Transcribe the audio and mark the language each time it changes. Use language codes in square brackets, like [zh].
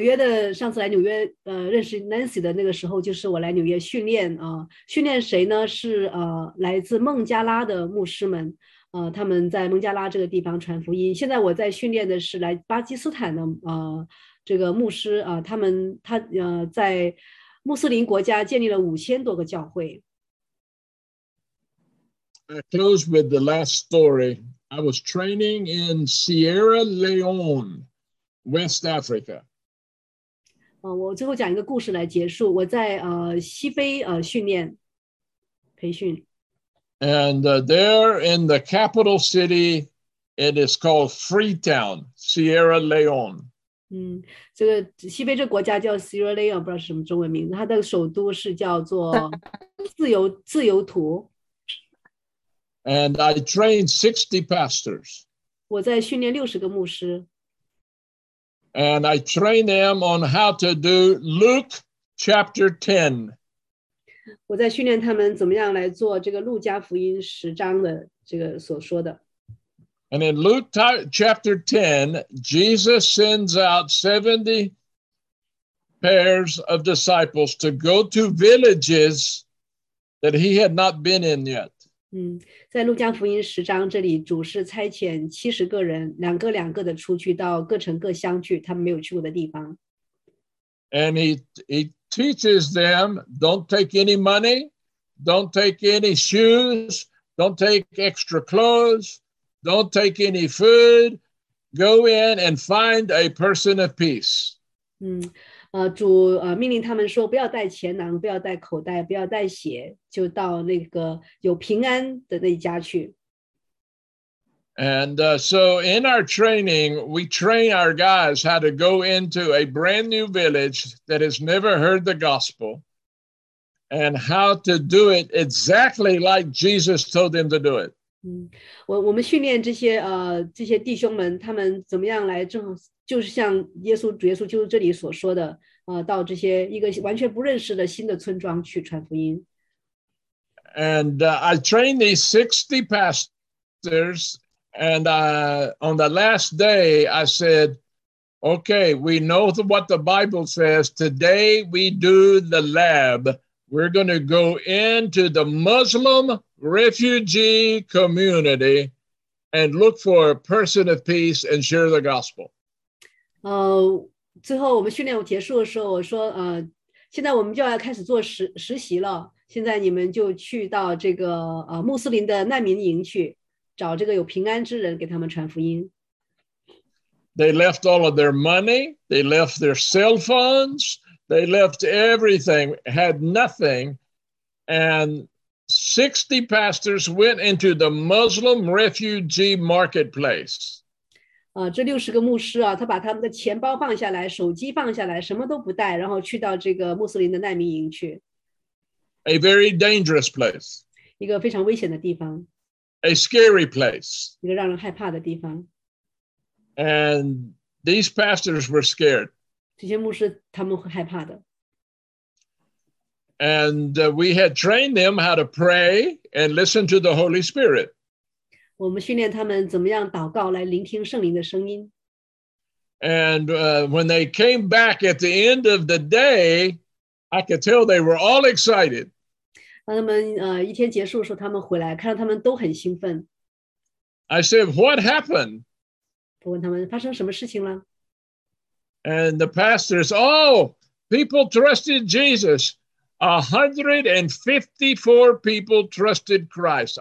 [zh] 我来纽约的，上次来纽约认识 Nancy 的那个时候，就是我来纽约训练，训练谁呢？是来自孟加拉的牧师们，他们在孟加拉这个地方传福音。现在我在训练的是来巴基斯坦的这个牧师，他在穆斯林国家建立了5,000多个教会。 [en] close with the last story. I was training in Sierra Leone, West Africa. [zh] 我最后讲一个故事来结束。我在西非训练培训。 [en] And there in the capital city, it is called Freetown, Sierra Leone. [zh] 这个西非这国家叫 Sierra Leone， 不知道是什么中文名字。它的首都是叫做自由图。 [en] And I trained 60 pastors. [zh] 我在训练60个牧师。 [en] And I trained them on how to do Luke chapter 10. [zh] 我在训练他们怎么样来做这个路加福音十章的这个所说的。 [en] And in Luke chapter 10, Jesus sends out 70 pairs of disciples to go to villages that he had not been in yet. [zh] 在路加福音十章这里，主是差遣70个人，两个两个的出去到各城各乡去，他们没有去过的地方。 [en] And he teaches them, don't take any money, don't take any shoes, don't take extra clothes. Don't take any food. Go in and find a person of peace. [zh] 主命令他们说不要带钱囊，不要带口袋，不要带血，就到那个有平安的那家去。 [en] And so in our training, we train our guys how to go into a brand new village that has never heard the gospel and how to do it exactly like Jesus told them to do it. [zh] 我们训练这些弟兄们，他们怎么样来正就是像主耶稣基督这里所说的，到这些一个完全不认识的新的村庄去传福音。 [en] And I trained these 60 pastors, and on the last day I said, "Okay, we know what the Bible says. Today we do the lab. We're going to go into the Muslim." Refugee community and look for a person of peace and share the gospel. [zh] 最后我们训练结束的时候，我说，现在我们就要开始做实习了。现在你们就去到这个穆斯林的难民营去，找这个有平安之人，给他们传福音。 [en] They left all of their money. They left their cell phones. They left everything. Had nothing, and 60 pastors went into the Muslim refugee marketplace. [zh] 这60个牧师他把他们的钱包放下来，手机放下来，什么都不带，然后去到这个穆斯林的难民营去。 [en] A very dangerous place. [zh] 一个非常危险的地方。 [en] A scary place. [zh] 一个让人害怕的地方。 [en] And these pastors were scared. [zh] 这些牧师他们会害怕的。 [en] And we had trained them how to pray and listen to the Holy Spirit. [zh] 我们训练他们怎么样祷告来聆听圣灵的声音。 [en] And when they came back at the end of the day, I could tell they were all excited. [zh] 当他们一天结束的时候，他们回来，看到他们都很兴奋。 [en] I said, "What happened?" [zh] 我问他们发生什么事情了。 [en] And the pastors, "Oh, people trusted Jesus." 154 people trusted Christ.